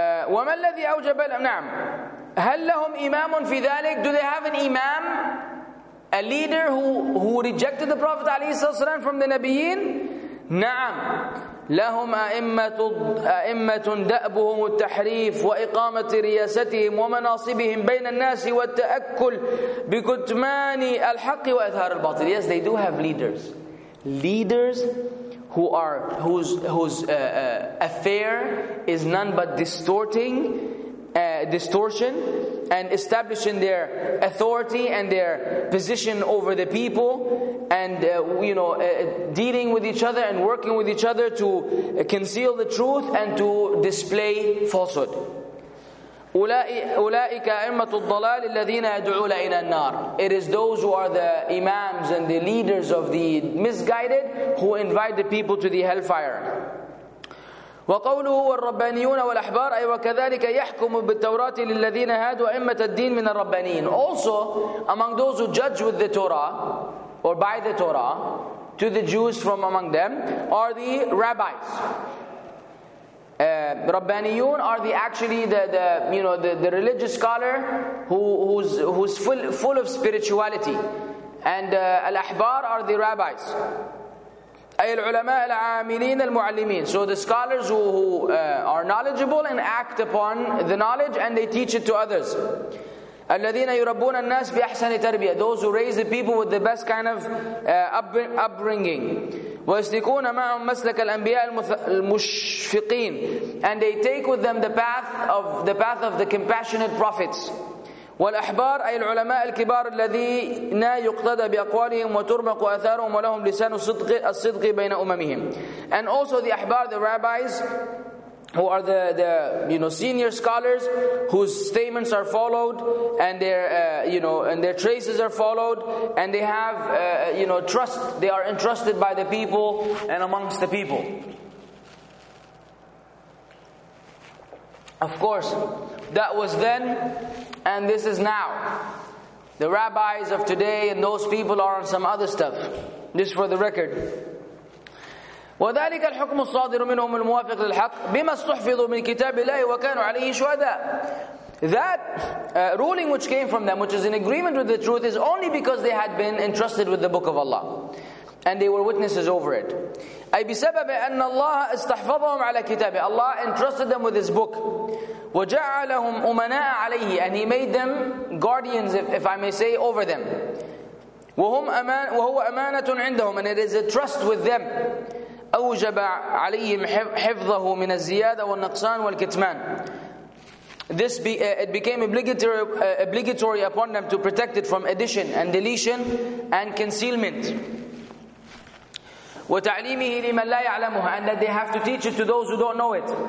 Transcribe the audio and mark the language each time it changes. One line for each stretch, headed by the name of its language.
Arabic: وما الذي أوجب نعم؟ هل لهم إمام في ذلك؟
English: Do they have an imam, a leader who rejected the Prophet عليه الصلاة والسلام from the
Arabic: نبيين؟ نعم. لهم أئمة دأبهم التحريف وإقامة رياستهم ومناصبهم بين الناس والتأكل بكتمان الحق وإظهار الباطل.
English: Yes, they do have leaders. Leaders whose affair is none but distortion and establishing their authority and their position over the people, and dealing with each other and working with each other to conceal the truth and to display falsehood.
Arabic: أولئك أئمة الضلال الذين يدعون إلى النار.
English: It is those who are the imams and the leaders of the misguided who invite the people to the hellfire.
Arabic: وقوله والربانيون والأحبار أي وكذلك يحكم بالتوراة للذين هادوا أئمة الدين من الربانيين.
English: Also among those who judge with the Torah or by the Torah to the Jews from among them are the rabbis. Rabbaniyun are the religious scholar who's full of spirituality, and al-ahbar are the rabbis.
Arabic: أي العلماء العاملين المعلمين.
English: So the scholars who are knowledgeable and act upon the knowledge and they teach it to others.
Arabic: الذين يربون الناس بأحسن تربية.
English: Those who raise the people with the best kind of upbringing.
Arabic: ويسلكون معهم مسلك الأنبياء المشفقين.
English: And they take with them the path of the compassionate prophets.
Arabic: والأحبار أي العلماء الكبار الذين يقتدى بأقوالهم وترمق أثارهم ولهم لسان الصدق بين أممهم.
English: And also the أحبار, the rabbis, who are the senior scholars whose statements are followed and their traces are followed, and they have trust, they are entrusted by the people and amongst the people. Of course, that was then and this is now. The rabbis of today and those people are on some other stuff. Just for the record.
Arabic: وذلك الحكم الصادر منهم الموافق للحق بما استحفظوا من كتاب الله وكانوا عليه شهداء.
English: That ruling which came from them, which is in agreement with the truth, is only because they had been entrusted with the book of Allah. and they were witnesses over it.
Arabic: أي بسبب أن الله استحفظهم على كتابه.
English: Allah entrusted them with His book.
Arabic: وجعلهم أمناء عليه,
English: and He made them guardians, if I may say, over them.
Arabic: وهو أمانة عندهم,
English: and it is a trust with them.
Arabic: أوجب عليهم حفظه من الزيادة والنقصان والكتمان.
English: This it became obligatory upon them to protect it from addition and deletion and concealment.
Arabic: وتعليمه لمن لا يعلمها,
English: and that they have to teach it to those who don't know it.